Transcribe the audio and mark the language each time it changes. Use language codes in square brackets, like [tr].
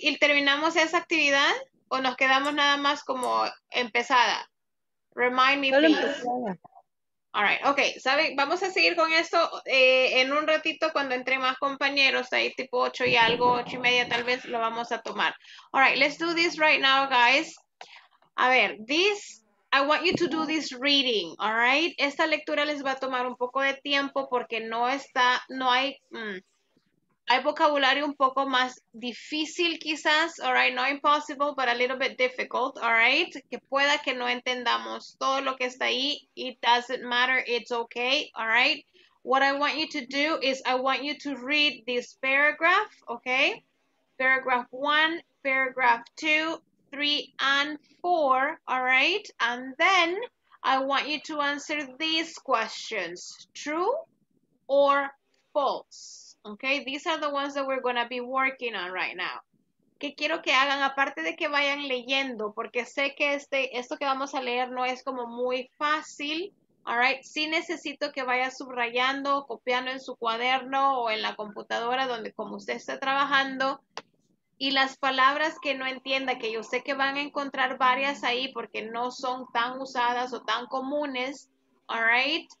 [es] ¿Y terminamos esa actividad o nos quedamos nada más como empezada? [en] Remind me, [es] solo [en] please. [es] Empezada. [en] All right. Okay. [es] ¿Sabe? Vamos a seguir con esto en un ratito cuando entre más compañeros, ahí tipo 8:30, tal vez lo vamos a tomar. [en] All right. Let's do this right now, guys. [es] A ver, [en] this... I want you to do this reading, all right? [es] Esta lectura les va a tomar un poco de tiempo porque no está, no hay, hay vocabulario un poco más difícil quizás, [en] all right? No impossible, but a little bit difficult, all right? [es] Que pueda que no entendamos todo lo que está ahí. [en] It doesn't matter, it's okay, all right? What I want you to do is I want you to read this paragraph, okay? Paragraph one, paragraph two, 3 and 4, all right? And then I want you to answer these questions, true or false, okay? These are the ones that we're gonna be working on right now. [es] ¿Qué quiero que hagan? Aparte de que vayan leyendo, porque sé que esto que vamos a leer no es como muy fácil, [en] all right? [es] Sí necesito que vaya subrayando, copiando en su cuaderno o en la computadora donde como usted esté trabajando, y las palabras que no entienda, que yo sé que van a encontrar varias ahí porque no son tan usadas o tan comunes, [en] all right?